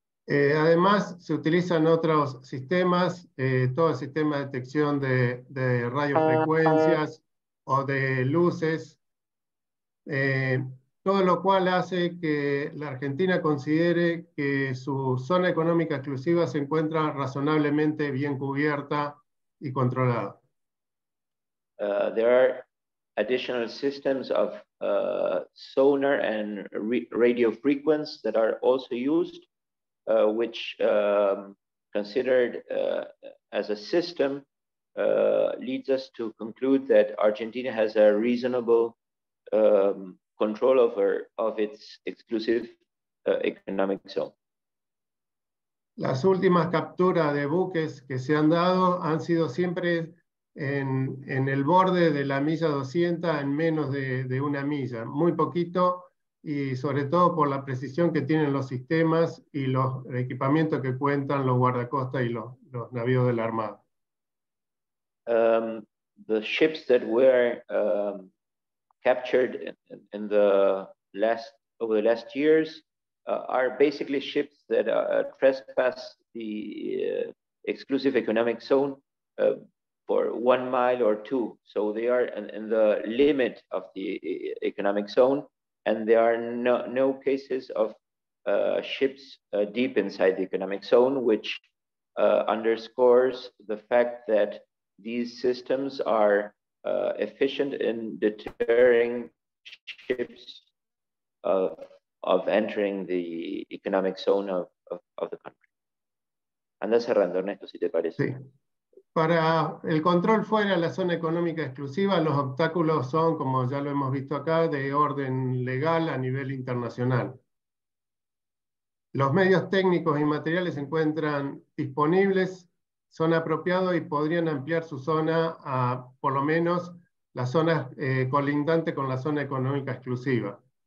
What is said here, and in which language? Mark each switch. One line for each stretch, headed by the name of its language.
Spanish: Además, se utilizan otros sistemas, todo el sistema de detección de radiofrecuencias o de luces, todo lo cual hace que la Argentina considere que su zona económica exclusiva se encuentra razonablemente bien cubierta y controlada.
English: There are additional systems of sonar and radio frequency that are also used, which considered as a system leads us to conclude that Argentina has a reasonable control over of its exclusive economic zone.
Spanish: Las últimas capturas de buques que se han dado han sido siempre en el borde de la milla 200, en menos de una milla, muy poquito, y sobre todo por la precisión que tienen los sistemas y los equipamientos que cuentan los guardacostas y los navíos de la Armada.
English: The ships that were captured in the last over the last years are basically ships that trespass the exclusive economic zone for 1 mile or two, so they are in the limit of the economic zone, and there are no cases of ships deep inside the economic zone, which underscores the fact that these systems are efficient in deterring ships of entering the economic zone of the country.
Spanish: Andá cerrando, Ernesto, si te parece. Sí. Para el control fuera de la zona económica exclusiva, los obstáculos son, como ya lo hemos visto acá, de orden legal a nivel internacional. Los medios técnicos y materiales se encuentran disponibles, son apropiados y podrían ampliar su zona a, por lo menos, las zonas colindantes con la zona económica exclusiva.